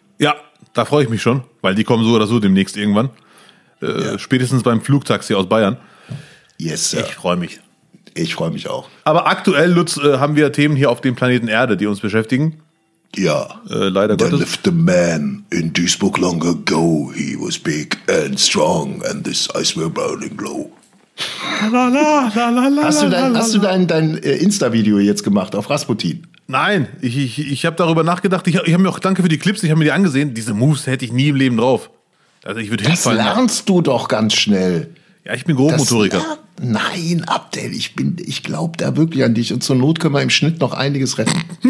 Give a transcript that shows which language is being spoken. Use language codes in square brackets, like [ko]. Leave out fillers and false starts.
[de] Ja, da freue ich mich schon, weil die kommen so oder so demnächst irgendwann. Spätestens beim Flugtaxi aus Bayern. [en] Yes, sir. [de] Ich freue mich. Ich freue mich auch. Aber aktuell, Lutz, haben wir Themen hier auf dem Planeten Erde, die uns beschäftigen. Ja. Leider Gottes. [en] There lived a man in Duisburg long ago. He was big and strong and this ice were burning low. La la la la la. [de] Hast du dein Insta-Video jetzt gemacht auf Rasputin? Nein, ich habe darüber nachgedacht. Ich habe mir auch, danke für die Clips, ich habe mir die angesehen. Diese Moves hätte ich nie im Leben drauf. Also ich würde hinfallen. Das lernst du doch ganz schnell. Ja, ich bin Grobmotoriker. Nein, Abdel, ich glaube da wirklich an dich. Und zur Not können wir im Schnitt noch einiges retten.